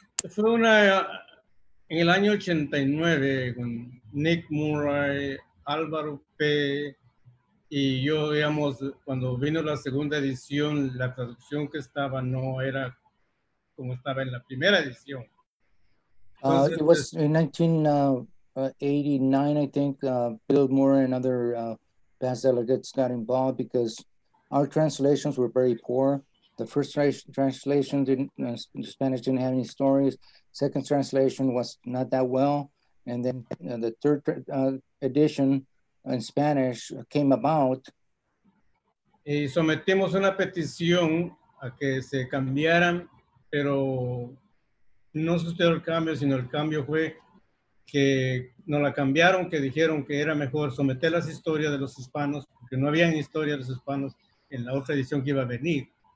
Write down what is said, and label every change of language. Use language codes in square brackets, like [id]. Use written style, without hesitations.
[es] Fue una en el año 89 con Nick Murray, Álvaro P. Y yo, digamos, cuando vino la segunda edición, la traducción que estaba no era como estaba en la primera edición. [en] Entonces, it was in 1989, I think, Bill Moore and other past delegates got involved because our translations were very poor. The first translation didn't, Spanish didn't have any stories. Second translation was not that well. And then the third edition, in Spanish, came about. [es] Y sometimos una petición a que se cambiaran, pero no sucedió el cambio, sino el cambio fue que no la cambiaron, que dijeron que era mejor someter las historias de los hispanos, porque no había historias de los hispanos en la otra edición que iba a venir.